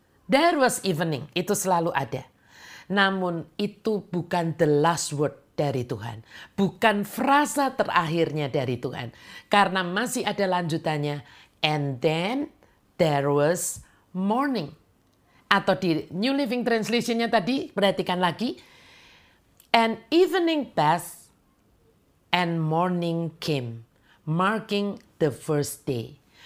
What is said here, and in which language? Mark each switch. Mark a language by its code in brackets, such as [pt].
[en] There was evening, [id] itu selalu ada. Namun itu bukan [en] the last word [id] dari Tuhan. Bukan frasa terakhirnya dari Tuhan. Karena masih ada lanjutannya. [en] And then there was morning. [id] Atau di New Living Translation-nya tadi, perhatikan lagi. [en] And evening passed and morning came, marking the first day.